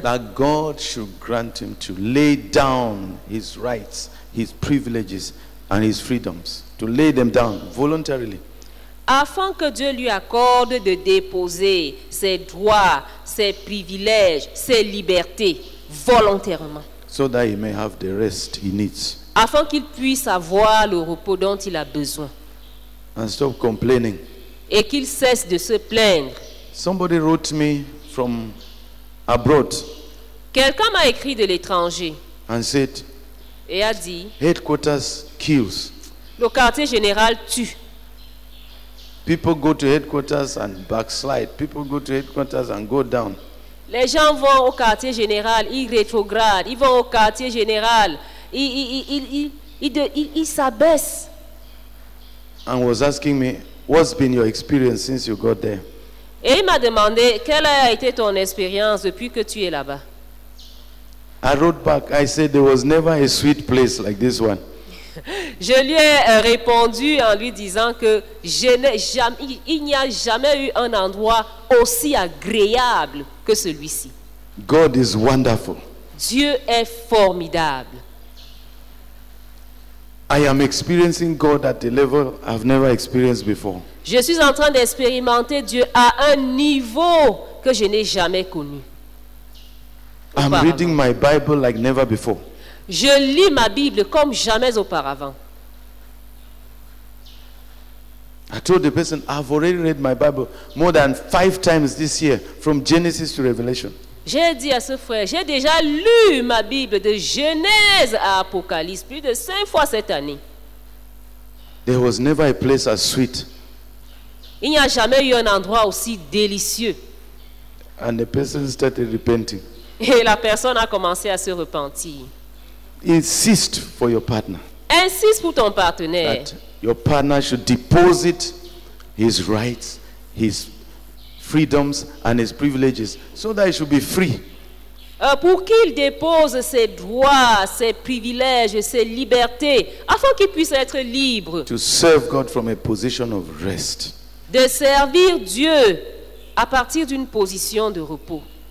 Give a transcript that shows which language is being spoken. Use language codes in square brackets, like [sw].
[en] That God should grant him to lay down his rights, his privileges, and his freedoms. To lay them down voluntarily. [fr] Afin que Dieu lui accorde de déposer ses droits, ses privilèges, ses libertés volontairement. [en] So that he may have the rest he needs. [fr] Afin qu'il puisse avoir le repos dont il a besoin. [en] And stop complaining. [fr] Et qu'il cesse de se plaindre. [en] Somebody wrote me from abroad. [fr] Quelqu'un m'a écrit de l'étranger. [en] And said, [fr] et a dit, [en] headquarters kills. [fr] Le quartier général tue. [en] People go to headquarters and backslide. People go to headquarters and go down. [fr] Les gens vont au quartier général, ils rétrogradent, ils vont au quartier général, ils s'abaissent. [en] And was asking me, what's been your experience since you got there? [fr] Et il m'a demandé, quelle a été ton expérience depuis que tu es là-bas? [en] I wrote back, I said, there was never a sweet place like this one. [fr] Je lui ai répondu en lui disant que il n'y a jamais eu un endroit aussi agréable que celui-ci. [en] God is wonderful. [fr] Dieu est formidable. [en] I am experiencing God at a level I've never experienced before. [fr] Je suis en train d'expérimenter Dieu à un niveau que je n'ai jamais connu. [en] I'm reading my Bible like never before. [fr] Je lis ma Bible comme jamais auparavant. [en] I told the person, I've already read my Bible more than 5 times this year, from Genesis to Revelation. [fr] J'ai dit à ce frère, j'ai déjà lu ma Bible de Genèse à Apocalypse plus de 5 fois cette année. [en] There was never a place as sweet. [fr] Il n'y a jamais eu un endroit aussi délicieux. [en] And the person started repenting. [fr] Et la personne a commencé à se repentir. [en] Insist for your partner. [fr] Insiste pour ton partenaire. [en] That your partner should deposit his rights, his freedoms and his privileges so that he should be free. [fr] Pour qu'il dépose ses droits, ses privilèges, ses libertés afin qu'il puisse être libre. [en] To serve God from a position of rest. [fr] De servir Dieu à partir d'une position de repos.